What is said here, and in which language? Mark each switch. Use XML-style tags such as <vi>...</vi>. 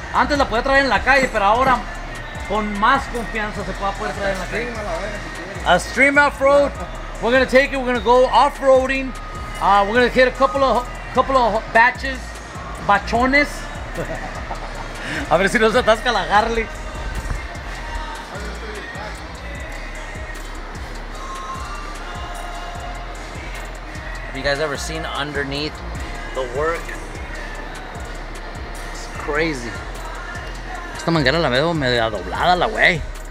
<es>Antes la podía traer en la calle, pero ahora con más confianza se puede poder traer en la calle.</es> <en>A stream off road. We're gonna take it. We're gonna go off-roading. We're gonna hit a couple of batches, bachones.</en> <es>A ver si no se atasca la Harley.</es> <en>Have you guys ever seen underneath the work? It's crazy.</en> <es>Esta manguera la veo media doblada, la wey.</es>